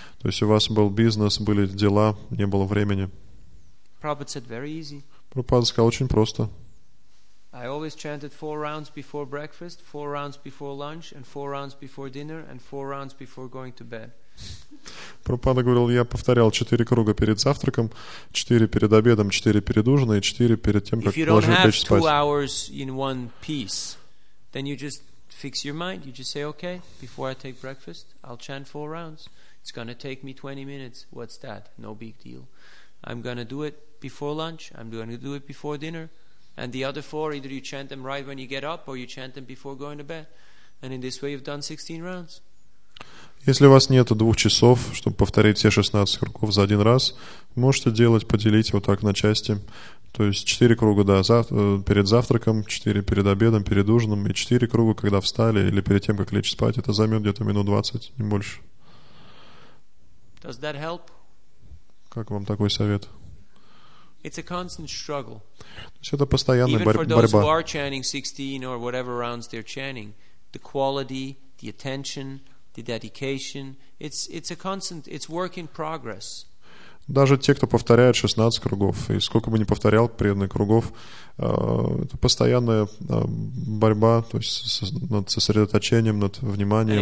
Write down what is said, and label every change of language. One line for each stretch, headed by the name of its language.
Russian: То есть, у вас был бизнес, были дела, не было времени.
English: Prabhupada said, very easy.
Russian: Прабхупада сказал, очень просто.
English: I always chanted 4 rounds before breakfast, 4 rounds before lunch, and 4 rounds before dinner, and 4 rounds before going to bed.
Russian: Прабхупада говорил, я повторял 4 круга перед завтраком, 4 перед обедом, 4 перед ужином и 4 перед тем, как ложиться спать.
English: If you don't have 2 hours in one piece, then you just fix your mind. You just say, okay, before I take breakfast, I'll chant 4 rounds. It's going to take me 20 minutes. What's that? No big deal. I'm going to do it before lunch. I'm going to do it before dinner. And the other 4, either you chant them right when you get up, or you chant them before going to bed. And in this way, you've done 16 rounds.
Russian: Если у вас нет 2 часов, чтобы повторить все 16 кругов за один раз, можете делать, поделить вот так на части. То есть 4 круга перед завтраком, 4 перед обедом, перед ужином, и 4 круга, когда встали, или перед тем, как лечь спать. Это займет где-то минут 20, не больше.
English: Does that help?
Russian: Как вам такой совет?
English: It's a constant struggle.
Russian: То есть это постоянная борьба.
English: Even for those who are chanting 16 or whatever rounds they're chanting, the quality, the attention, the dedication, it's a constant, it's work in progress.
Russian: Даже те, кто повторяет 16 кругов, и сколько бы ни повторял преданных кругов, это постоянная борьба, то есть над сосредоточением, над вниманием.